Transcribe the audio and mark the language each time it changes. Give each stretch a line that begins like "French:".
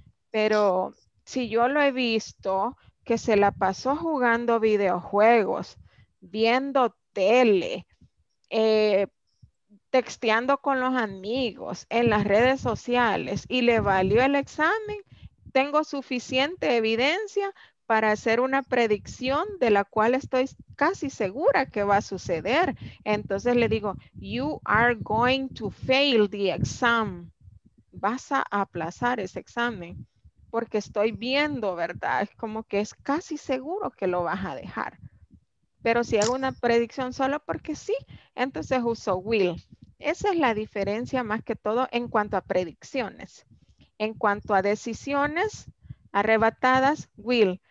Spanish: Pero si yo lo he visto que se la pasó jugando videojuegos, viendo tele, texteando con los amigos, en las redes sociales, y le valió el examen, tengo suficiente evidencia para hacer una predicción de la cual estoy casi segura que va a suceder. Entonces le digo,
English: you are going to fail the exam.
Spanish: Vas a aplazar ese examen. Porque estoy viendo, ¿verdad? Es como que es casi seguro que lo vas a dejar. Pero si hago una predicción solo porque sí, entonces uso will. Esa es la diferencia más que todo en cuanto a predicciones. En cuanto a decisiones arrebatadas, will.